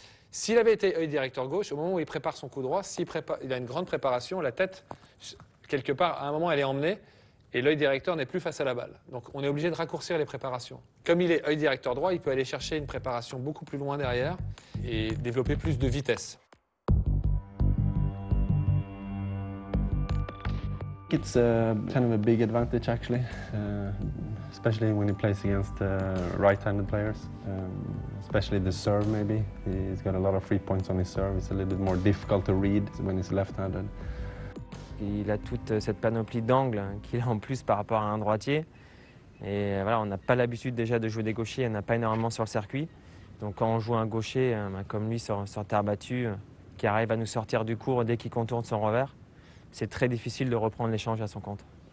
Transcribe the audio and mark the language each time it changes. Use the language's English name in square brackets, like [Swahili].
[French] S'il avait été œil directeur gauche, au moment où il prépare son coup droit, il a une grande préparation, la tête, quelque part, à un moment, elle est emmenée, et l'œil directeur n'est plus face à la balle. Donc on est obligé de raccourcir les préparations. Comme il est œil directeur droit, il peut aller chercher une préparation beaucoup plus loin derrière et développer plus de vitesse. [English] It's kind of a big advantage, actually, especially when he plays against right-handed players, especially the serve, maybe. He's got a lot of free points on his serve. It's a little bit more difficult to read when he's left-handed. [French] Il a toute cette panoplie d'angles qu'il a en plus par rapport à un droitier. Et voilà, on n'a pas l'habitude déjà de jouer des gauchers, il n'y en a pas énormément sur le circuit. Donc quand on joue un gaucher comme lui sur terre battue, qui arrive à nous sortir du court dès qu'il contourne son revers, c'est très difficile de reprendre l'échange à son compte.